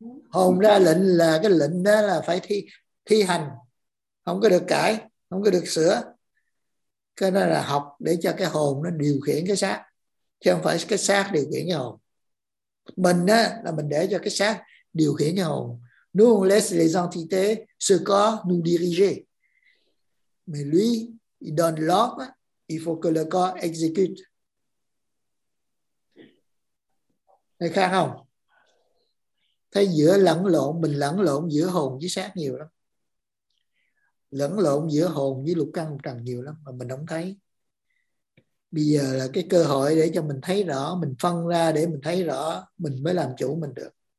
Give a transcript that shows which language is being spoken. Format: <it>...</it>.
<vi>Hồn ra lệnh là cái lệnh đó là phải thi hành. Không có được cãi, không có được sửa. Cái đó là học để cho cái hồn nó điều khiển cái xác. Chứ không phải cái xác điều khiển cái hồn. Mình đó là mình để cho cái xác điều khiển cái hồn.</vi> <fr>Nous on laisse les entités ce corps nous diriger. Mais lui, il donne l'ordre. Il faut que le corps exécute.</fr> <vi>Thấy khác không? Thấy giữa lẫn lộn, mình lẫn lộn giữa hồn với xác nhiều lắm. Lẫn lộn giữa hồn với lục căn lục trần nhiều lắm mà mình không thấy. Bây giờ là cái cơ hội để cho mình thấy rõ, mình phân ra để mình thấy rõ, mình mới làm chủ mình được.</vi>